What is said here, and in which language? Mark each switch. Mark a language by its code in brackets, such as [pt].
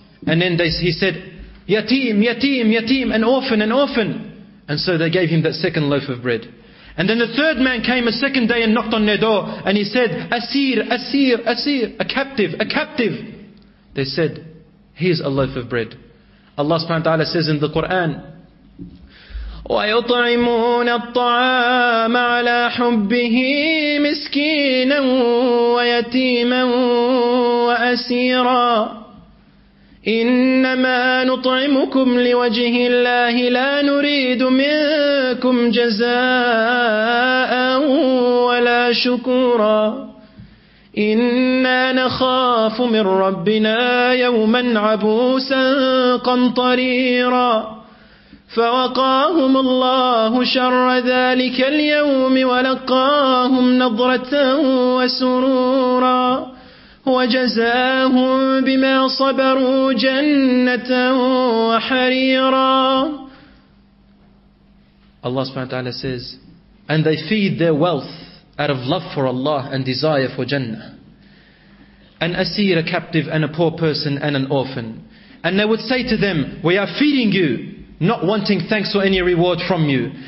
[en] And then he said, yateem, yateem, yateem, an orphan, an orphan. And so they gave him that second loaf of bread. And then the third man came a second day and knocked on their door. And he said, asir, asir, asir, a captive, a captive. They said, here's a loaf of bread. Allah subhanahu wa ta'ala says in the Quran, [ar] ويطعمون الطعام على حبه مسكينا ويتيما وأسيرا إنما نطعمكم لوجه الله لا نريد منكم جزاء ولا شكورا إنا نخاف من ربنا يوما عبوسا قمطريرا فوقاهم الله شر ذلك اليوم ولقاهم نظرة وسرورا وجزاهم بما صبروا جنة وحريرا. [en] Allah subhanahu wa ta'ala says, and they feed their wealth out of love for Allah and desire for Jannah. An asir, a captive, and a poor person, and an orphan. And they would say to them, we are feeding you, not wanting thanks or any reward from you.